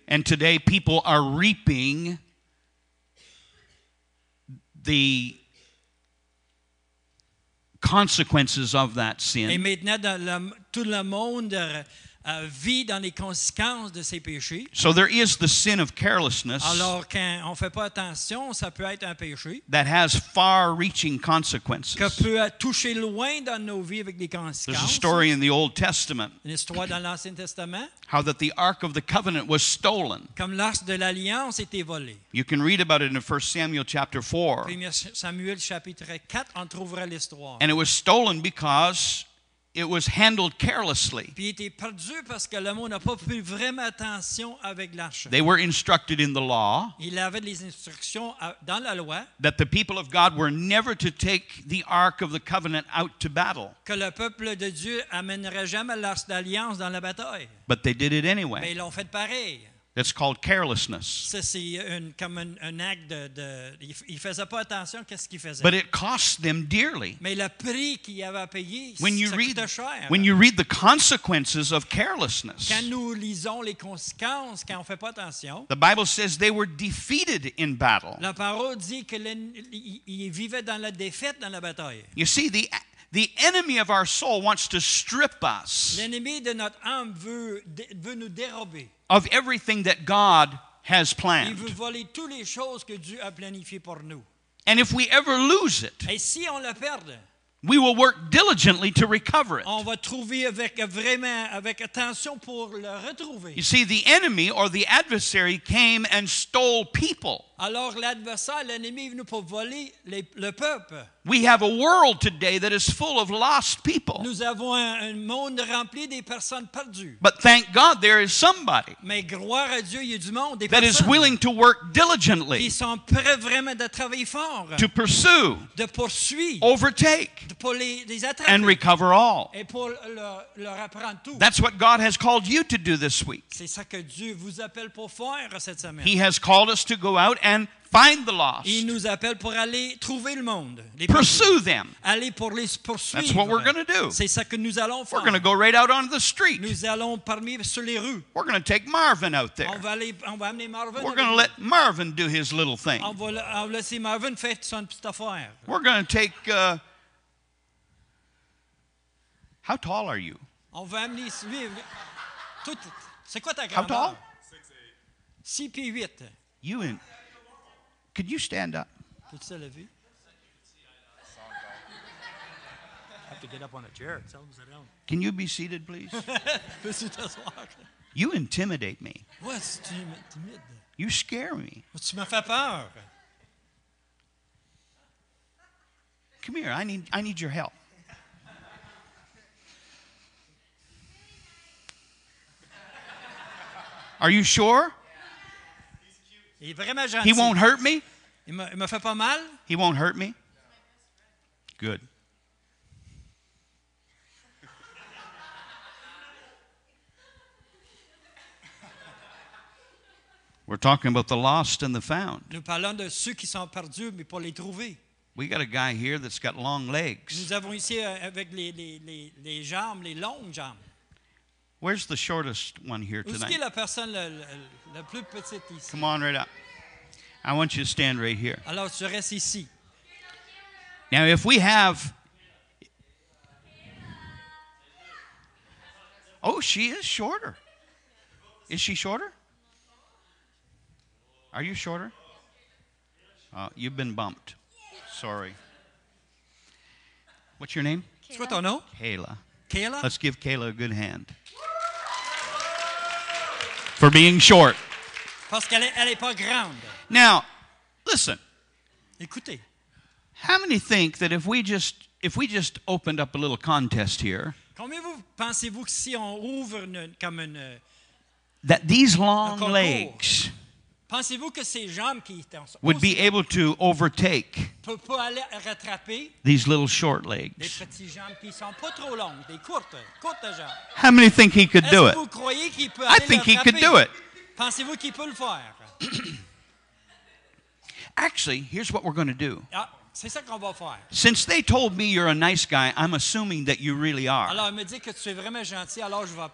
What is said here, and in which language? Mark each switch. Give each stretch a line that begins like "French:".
English: And today people are reaping the consequences of that sin.
French: Et maintenant, tout le monde vit dans les conséquences de ces péchés.
English: So there is the sin of carelessness.
French: Alors, quand on fait pas attention, ça peut être un péché.
English: That has far-reaching consequences.
French: Que peut toucher loin dans nos vies avec des conséquences.
English: There's a story in the Old Testament.
French: Une histoire dans l'Ancien Testament.
English: How that the Ark of the Covenant was stolen.
French: Comme l'Arche de l'Alliance était volée.
English: You can read about it in 1 Samuel chapter 4.
French: 1 Samuel chapitre 4, on trouvera l'histoire.
English: And it was stolen because it was handled carelessly.
French: Puis il était perdu parce que le monde n'a pas pris vraiment attention avec l'arche.
English: They were instructed in the law.
French: Il avait les instructions dans la loi.
English: That the people of God were never to take the Ark of the Covenant out to battle.
French: Que le peuple de Dieu amènerait jamais l'arche d'alliance dans la bataille.
English: But they did it anyway.
French: Mais ils l'ont fait pareil.
English: It's called carelessness.
French: Ça, c'est comme un acte de il faisait pas attention qu'est-ce qu'il faisait.
English: But it cost them dearly.
French: Mais le prix qu'il avait à payer, ça coûte cher.
English: When you read the consequences of carelessness.
French: Quand nous lisons les conséquences quand on fait pas attention.
English: The Bible says they were defeated in battle.
French: La parole dit qu'ils vivaient dans la défaite dans la bataille.
English: You see, the enemy of our soul wants to strip us.
French: L'ennemi de notre âme veut nous dérober.
English: Of everything that God has planned.
French: Il veut voler toutes les choses que Dieu a planifiées pour nous.
English: And if we ever lose it,
French: et si on le perde,
English: we will work diligently to recover it.
French: On va trouver avec attention pour le retrouver.
English: You see, the enemy or the adversary came and stole people.
French: Alors l'adversaire, l'ennemi est venu pour voler le peuple.
English: We have a world today that is full of lost people.
French: Nous avons un monde rempli des personnes perdues.
English: But thank God there is somebody.
French: Mais gloire à Dieu, il y a du monde, des
English: that
French: personnes.
English: Is willing to work diligently.
French: Ils sont prêts vraiment de travailler fort.
English: To pursue.
French: De poursuivre.
English: Overtake.
French: De pour les attraper.
English: And recover all.
French: Et pour leur apprendre tout.
English: That's what God has called you to do this week.
French: C'est ça que Dieu vous appelle pour faire cette semaine.
English: He has called us to go out and find the lost.
French: Il nous appelle pour aller trouver le monde.
English: Pursue them.
French: Aller pour les poursuivre.
English: That's what we're going to do.
French: C'est ça que nous allons faire.
English: We're going to go right out onto the street.
French: Nous allons parmi sur les rues.
English: We're going to take Marvin out there.
French: On va amener Marvin.
English: We're going to let Marvin do his little thing.
French: On va laisser Marvin faire son petite affaire.
English: We're going to take. How tall are you?
French: On va amener. Tout. C'est quoi ta grandeur?
English: How tall?
French: 6 pieds 8.
English: You in. Could you stand up?
French: Peux-tu te lever?
English: I have to get up on a chair. Tell him to sit down. Can you be seated, please?
French: Peux-tu t'asseoir?
English: You intimidate me.
French: What? Tu m'intimides.
English: You scare me.
French: Tu me fais peur.
English: Come here. I need your help. Are you sure? He won't hurt me?
French: Il me fait pas mal?
English: He won't hurt me? Good. We're talking about the lost and the found.
French: Nous parlons de ceux qui sont perdus mais pour les trouver.
English: We got a guy here that's got long legs.
French: Nous avons ici avec les jambes, les longues jambes.
English: Where's the shortest one here tonight?
French: Où est la personne la plus petite ici?
English: Come on, right up. I want you to stand right here.
French: Alors, tu restes ici.
English: Now, if we have... Oh, she is shorter. Is she shorter? Are you shorter? You've been bumped. Sorry. What's your name? Kayla. Kayla? Let's give Kayla a good hand. For being short.
French: Parce qu'elle est pas grande.
English: Now, listen.
French: Écoutez.
English: How many think that if we just opened up a little contest here?
French: Combien vous pensez-vous que si on ouvre comme une
English: that these long legs
French: Pensez-vous que ces jambes qui étaient
English: would be able to overtake
French: pour aller rattraper
English: these little short legs?
French: Des petites jambes qui sont pas trop longues, des courtes jambes.
English: How many think he could do it?
French: Est-ce que vous croyez qu'il peut
English: aller I think
French: rattraper?
English: He could do it.
French: Pensez-vous qu'il peut le faire?
English: Actually, here's what we're going to do.
French: C'est ça qu'on va faire.
English: Since they told me you're a nice guy, I'm assuming that you really are.
French: Alors, il me dit que tu es vraiment gentil, alors je vais.